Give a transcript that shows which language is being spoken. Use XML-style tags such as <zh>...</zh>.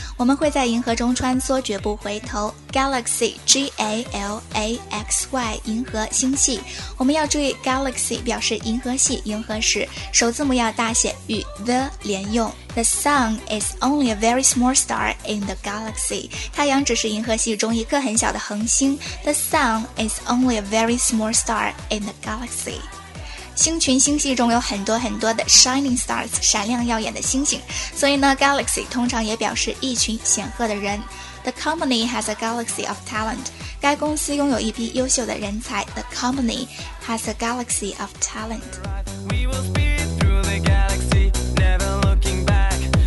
<zh>我们会在银河中穿梭，绝不回头。Galaxy, G-A-L-A-X-Y, 银河星系。我们要注意 galaxy 表示银河系，银河系，首字母要大写，与 the 连用。</zh> <en>The sun is only a very small star in the galaxy.</en> <zh>太阳只是银河系中一颗很小的恒星。</zh> <en>The sun is only a very small star in the galaxy.</en> <zh>星群星系中有很多很多的</zh> <en>shining stars</en> <zh>闪亮耀眼的星星，所以呢 galaxy 通常也表示一群显赫的人。</zh> <en>The company has a galaxy of talent.</en> <zh>该公司拥有一批优秀的人才。</zh> <en>The company has a galaxy of talent. We will speed through the galaxy, never looking back.</en>